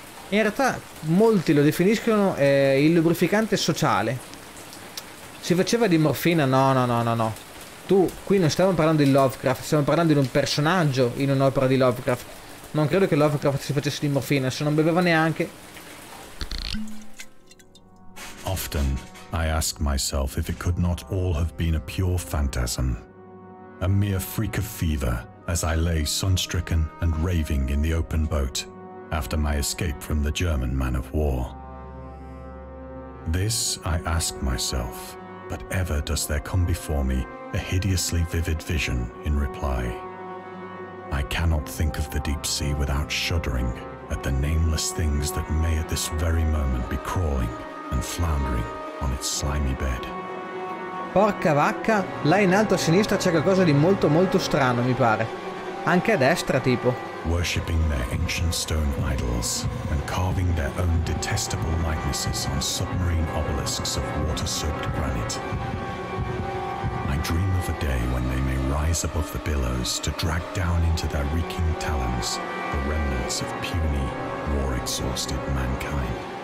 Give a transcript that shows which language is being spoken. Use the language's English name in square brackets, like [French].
[Italian] In realtà molti lo definiscono il lubrificante sociale. Si faceva di morfina? No. Tu, qui non stiamo parlando di Lovecraft, stiamo parlando di un personaggio in un'opera di Lovecraft. Non credo che Lovecraft si facesse di morfina, se non beveva neanche. [English] Often I ask myself if it could not all have been a pure phantasm, a mere freak of fever, as I lay sun-stricken and raving in the open boat after my escape from the German man of war. This I ask myself, but ever does there come before me a hideously vivid vision in reply. I cannot think of the deep sea without shuddering at the nameless things that may at this very moment be crawling and floundering on its slimy bed. [Italian] Porca vacca, là in alto a sinistra c'è qualcosa di molto molto strano, mi pare. Anche a destra, tipo. [English] Worshipping their ancient stone idols and carving their own detestable likenesses on submarine obelisks of water-soaked granite. I dream of a day when they may rise above the billows to drag down into their reeking talons the remnants of puny, war-exhausted mankind.